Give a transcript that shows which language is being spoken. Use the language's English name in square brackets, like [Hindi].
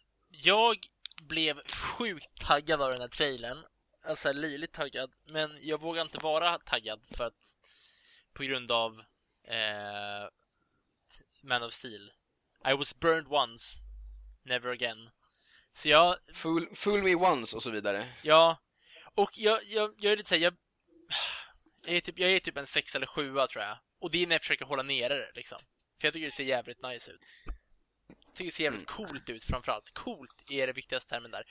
[Swedish] Jag blev sjukt taggad av den här trailern. Alltså löjligt taggad. Men jag vågar inte vara taggad, för att på grund av Man of Steel. [English] I was burned once, never again. [Swedish] Så jag [English] fool me once [Swedish] och så vidare. Ja. Och jag är lite såhär, jag är typ en 6 eller 7 tror jag. Och det är när jag försöker hålla ner det liksom. För jag tycker det ser jävligt nice ut. Jag tycker det ser jävligt coolt ut framförallt. Coolt är det viktigaste termen där.